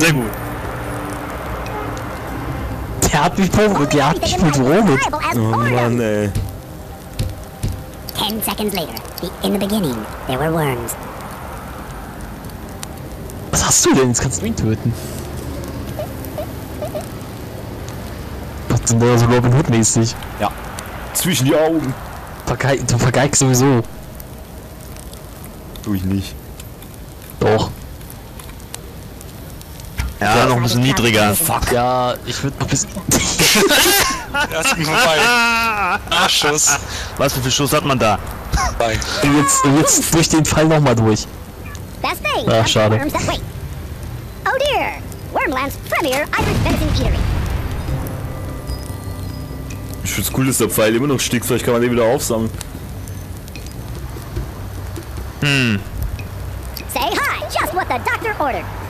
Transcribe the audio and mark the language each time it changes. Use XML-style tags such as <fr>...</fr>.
<de>Der hat mich probiert, der hat mich mit Robot. Oh Mann, ey.</de> <en>10 seconds later, in the beginning, there were worms.</en> <de>Was hast du denn? Jetzt kannst du ihn töten. Sind da so Robin Hood-mäßig? Ja. Zwischen die Augen. Du vergeigst sowieso. Tu ich nicht. Doch. Ja, ja, noch ein bisschen niedriger. Fuck. Ja, ich würde noch ein bisschen. Erst vorbei. Ach, Schuss. Was für Schuss hat man da?</de> <en>Bye.</en> <de>Jetzt durch den Fall nochmal durch.</de> <en>Best thing.</en> <de>Ach, schade.</de> <en>Oh dear. Wormlands Premier Iron Fencing Eatery.</en> <de>Ich find's cool, dass der Pfeil immer noch stickt, vielleicht kann man den wieder aufsammeln. Hm.</de> <en>Say hi, just what the doctor ordered.</en>